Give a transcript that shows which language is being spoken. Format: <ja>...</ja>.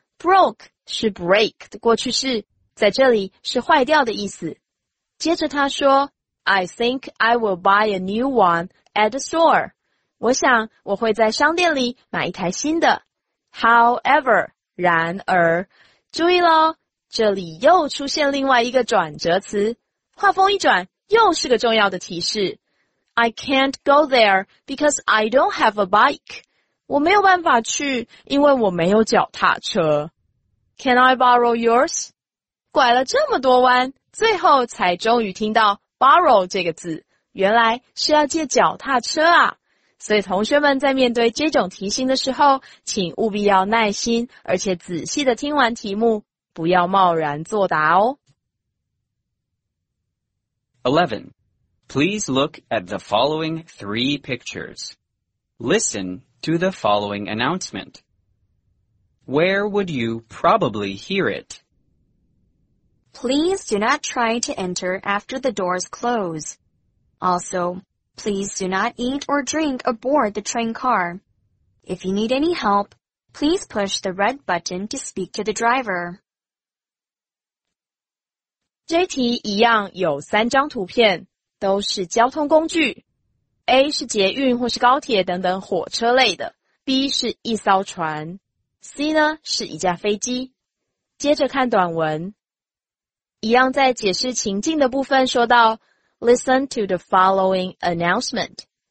<zh>Broke 是 break 的过去式，在这里是坏掉的意思。接着他说，</zh> <en>I think I will buy a new one at the store.</en> <zh>我想我会在商店里买一台新的。</zh> <en>However,</en> <zh>然而，注意咯，这里又出现另外一个转折词。话锋一转，又是个重要的提示。</zh> <en>I can't go there because I don't have a bike.</en> <zh>我没有办法去，因为我没有脚踏车。</zh> <en>Can I borrow yours?</en> <zh>拐了这么多弯，最后才终于听到 borrow 这个字，原来是要借脚踏车啊。所以同学们在面对这种题型的时候，请务必要耐心，而且仔细的听完题目，不要贸然作答哦。</zh> <en>11. Please look at the following three pictures. Listen to the following announcement. Where would you probably hear it? Please do not try to enter after the doors close. Also, please do not eat or drink aboard the train car. If you need any help, please push the red button to speak to the driver.</en> <zh>这题一样有三张图片，都是交通工具。 A 是捷运或是高铁等等火车类的 ,B 是一艘船 ,C 呢是一架飞机。接着看短文。一样在解释情境的部分说到 ,</zh> <en>Listen to the following announcement.</en>